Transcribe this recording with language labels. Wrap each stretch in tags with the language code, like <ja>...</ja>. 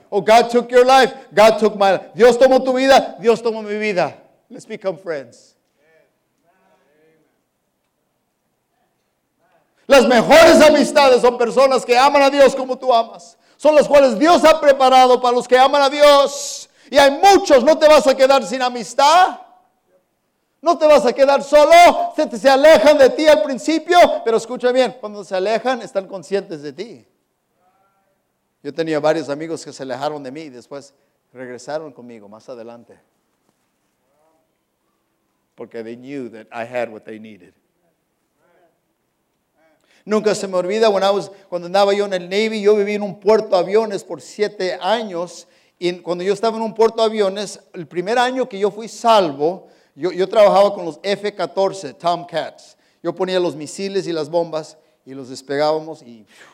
<en>Oh, God took your life, God took my life.</en> <es>Dios tomó tu vida, Dios tomó mi vida.</es> <en>Let's become friends.</en> <es>Las mejores amistades son personas que aman a Dios como tú amas. Son las cuales Dios ha preparado para los que aman a Dios. Y hay muchos, no te vas a quedar sin amistad. No te vas a quedar solo. Se alejan de ti al principio. Pero escucha bien, cuando se alejan están conscientes de ti. Yo tenía varios amigos que se alejaron de mí y después regresaron conmigo más adelante.</es> <en>Porque they knew that I had what they needed.</en> <es>Nunca se me olvida cuando andaba yo en el Navy, yo viví en un puerto aviones por 7 años Y cuando yo estaba en un puerto de aviones, el primer año que yo fui salvo, yo trabajaba con los F-14, Tomcats. Yo ponía los misiles y las bombas y los despegábamos y...</es>